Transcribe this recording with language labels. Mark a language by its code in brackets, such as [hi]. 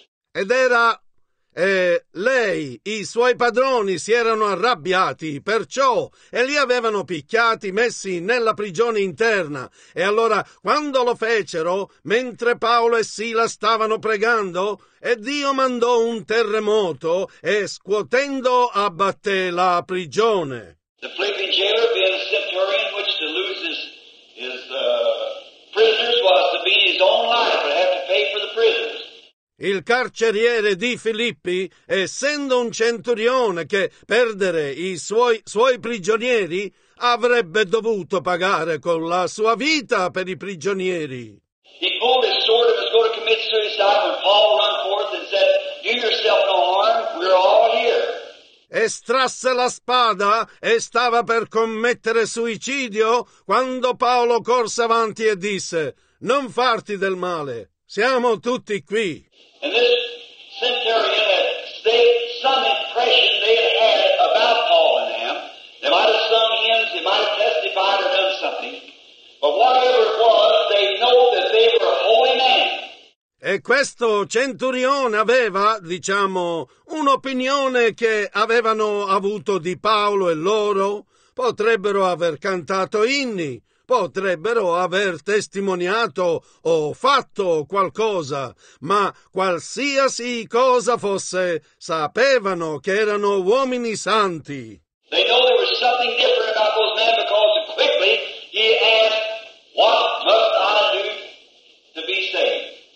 [it] Ed era lei, i suoi padroni si erano arrabbiati, perciò, e li avevano picchiati, messi nella prigione interna. E allora, quando lo fecero, mentre Paolo e Sila stavano pregando, e Dio mandò un terremoto e scuotendo abbatté la prigione. [en] The sleeping jailer, being a centurion, which to lose his prisoners was to be his own life, but have to pay for the prisoners. [it] Il carceriere di Filippi, essendo un centurione che perdere i suoi prigionieri, avrebbe dovuto pagare con la sua vita per i prigionieri. [en] He pulled his sword and was going to commit suicide when Paul ran forth and said, "Do yourself no harm, we're all here." [it] Estrasse la spada e stava per commettere suicidio quando Paolo corse avanti e disse, "Non farti del male, siamo tutti qui." [en] And this centurion had stayed, some impression they had had about Paul and them. They might have sung hymns, they might have testified or done something. But whatever it was, they know that they were holy men. [it] E questo centurione aveva, diciamo, un'opinione che avevano avuto di Paolo e loro. Potrebbero aver cantato inni, potrebbero aver testimoniato o fatto qualcosa, ma qualsiasi cosa fosse, sapevano che erano uomini santi. [en] They know there was something different about those men because quickly he asked, "What must I do to be saved?"